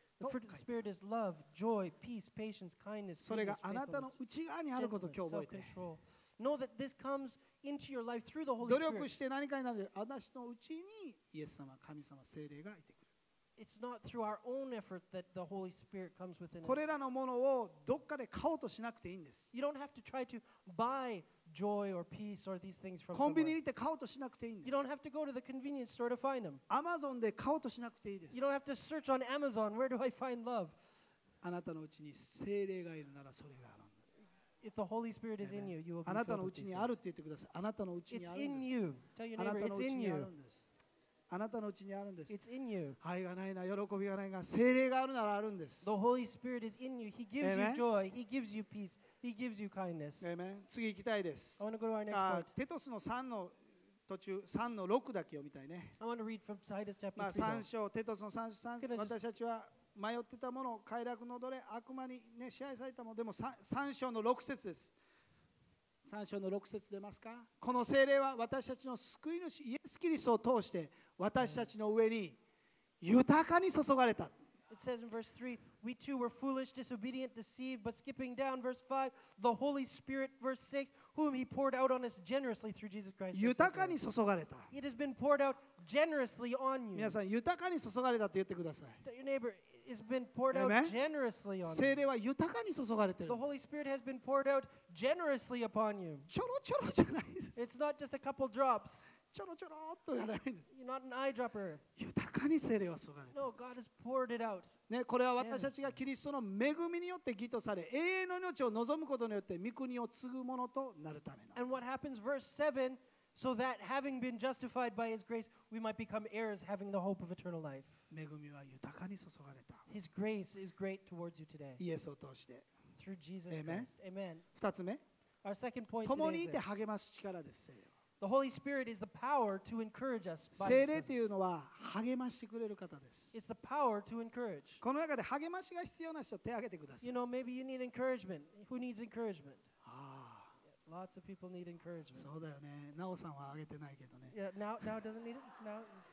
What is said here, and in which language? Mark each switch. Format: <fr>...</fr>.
<en>The fruit of the Spirit is love, joy, peace, patience, kindness, self-control. Know that this comes into your life through the Holy Spirit.</en> <ja>努力して何かになる。私のうちにイエス様、神様、聖霊がいてくる。</ja> <en>It's not through our own effort that the Holy Spirit comes within us.</en> <ja>これらのものをどっかで買おうとしなくていいんです。</ja> <en>You don't have to try to buy joy or peace or these things from</en> <ja>コンビニに行って買おうとしなくていいんです。</ja> <en>You don't have to go to the convenience store to find them.</en> <ja>Amazon で買おうとしなくていいです。</ja> <en>You don't have to search on Amazon, where do I find love?</en> <ja>あなたのうちに聖霊がいるならそれがあるんです。</ja> <en>If the Holy Spirit is in you, you will be filled with these things.</en> <ja>あなたのうちにあると言ってください。あなたのうちにある。</ja> <en>It's in you. Tell your neighbor, it's in you.</en> <ja>あなたのうちにあるんです。</ja> <en>It's in you.</en> <ja>愛がないな、喜びがないが、聖霊があるならあるんです。</ja> <en>The Holy Spirit is in you. He gives you joy. He gives you peace. He gives you kindness.</en> <ja>Amen. 次行きたいです。</ja> <en>I want to go to our next part.</en> <ja>テトスの3の途中、3の6だけ読みたいね。</ja> <en>I want to read from Titus chapter 3.</en> <ja>まあ3章、テトスの3章、3章、私たちは迷ってたもの、快楽の奴隷、悪魔に、ね、支配されたもの、でも 3章の6節です。 3章の6節出ますか。この聖霊は私たちの救い主イエスキリストを通して私たちの上に豊かに注がれた。</ja> <en>It says in verse 3, we too were foolish, disobedient, deceived, but skipping down verse 5, the Holy Spirit, verse 6, whom he poured out on us generously through Jesus Christ.</en> <ja>豊かに注がれた。</ja> <en>It has been poured out generously on you.</en> <ja>皆さん、豊かに注がれたって言ってください。</ja> <en>Tell your neighbor, it's been poured out generously on you.</en> <ja>聖霊は豊かに注がれてる。</ja> <en>The Holy Spirit has been poured out generously upon you.</en> <ja>ちょろちょろじゃないです。</ja> <en>It's not just a couple drops.</en> <ja>ちょろちょろっとやらないんです。</ja> <en>You're not an eyedropper.</en> <ja>豊かに聖霊を注がれた。</ja> <en>No, God has poured it out.</en> <ja>ね、これは私たちがキリストの恵みによって義とされ、永遠の命を望むことによって御国を継ぐものとなるためなんです。</ja> <en>And what happens, verse 7, so that having been justified by His grace, we might become heirs, having the hope of eternal life.</en> <ja>恵みは豊かに注がれた。</ja> <en>His grace is great towards you today.</en> <ja>イエスを通して。</ja> <en>Through Jesus Christ. Amen.</en> <ja>二つ目。</ja> <en>Our second point today</en> <ja>共にいて励ます力です、聖霊。</ja> <en>The Holy Spirit is the power to encourage us.</en> <ja>聖霊というのは励ましてくれる方です。</ja> <en>It's the power to encourage.</en> <ja>この中で励ましが必要な人手を挙げてください。</ja> <en>You know, maybe you need encouragement. Who needs encouragement? Ah. Lots of people need encouragement.</en> <ja>そうだよね。ナオさんは挙げてないけどね。</ja> <en>Yeah, now doesn't need it. Now.</en>